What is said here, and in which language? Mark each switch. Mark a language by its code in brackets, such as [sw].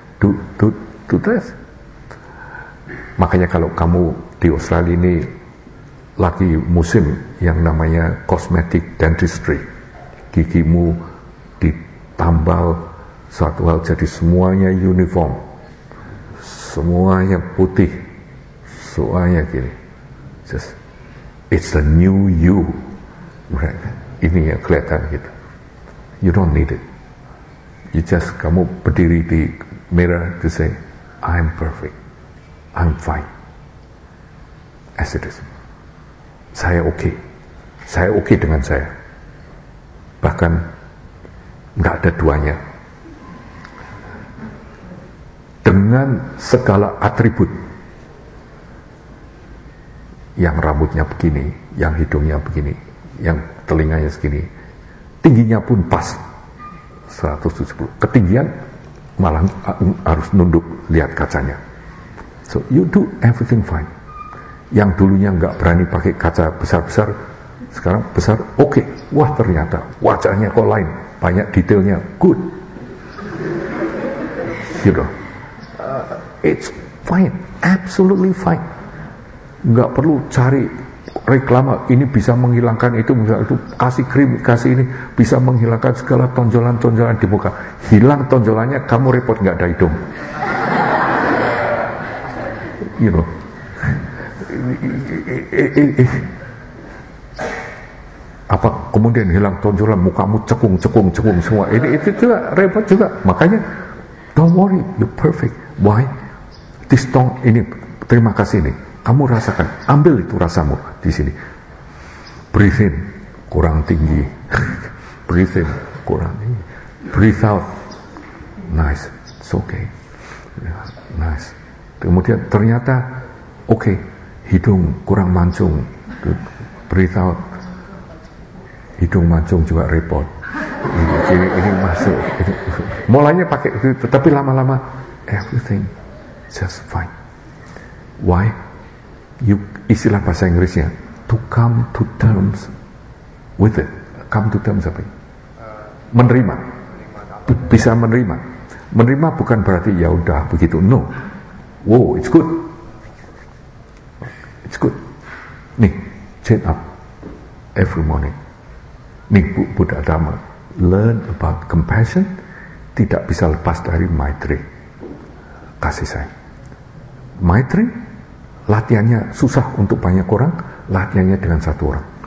[en] to death. [id] Makanya kalau kamu di Australia ini lagi musim yang namanya cosmetic dentistry, gigimu ditambal suatu hal jadi semuanya uniform, semuanya putih, semuanya gini. [en] Just, it's a new you, right? [id] Ini yang kelihatan gitu. [en] You don't need it. You just, [id] kamu berdiri di [en] mirror to say, I'm perfect, I'm fine, as it is. [id] Saya okay dengan saya. Bahkan nggak ada duanya. Dengan segala atribut, yang rambutnya begini, yang hidungnya begini, yang telinganya segini, tingginya pun pas 170. Ketinggian malah harus nunduk lihat kacanya. [en] So you do everything fine. [id] Yang dulunya enggak berani pakai kaca besar-besar, sekarang besar, oke. Okay. Wah, ternyata wajahnya kok lain, banyak detailnya, good. [en] You know, it's fine, absolutely fine. [id] Enggak perlu cari reklama, ini bisa menghilangkan itu, misalnya itu, kasih krim, kasih ini, bisa menghilangkan segala tonjolan-tonjolan di muka. Hilang tonjolannya, kamu repot, enggak ada hidung. [en] You know, [id] apa kemudian hilang tonjolan, mukamu cekung semua, ini itu juga repot juga. Makanya [en] don't worry, you're perfect. Why? This tongue, [id] ini terima kasih nih, kamu rasakan, ambil itu rasamu di sini. [en] Breathe in, [id] kurang tinggi. Breathe in, kurang tinggi. [en] Breathe out, nice, it's okay, nice. [id] Kemudian ternyata okay, hidung kurang mancung. [en] Breathe out, [id] hidung mancung juga repot. Ini masuk. Ini. Mulanya pakai itu, tetapi lama-lama [en] everything just fine. Why? You, [id] istilah bahasa Inggrisnya, [en] to come to terms with it. Come to terms [id] apa? Menerima. Bisa menerima. Menerima bukan berarti ya udah begitu. [en] No. Wow, it's good. It's good. [id] Nih, [en] sit up every morning. Nih, Buddha Dhamma, learn about compassion. [id] Tidak bisa lepas dari Maitri, kasih sayang. Maitri, latihannya susah untuk banyak orang. Latihannya dengan satu orang.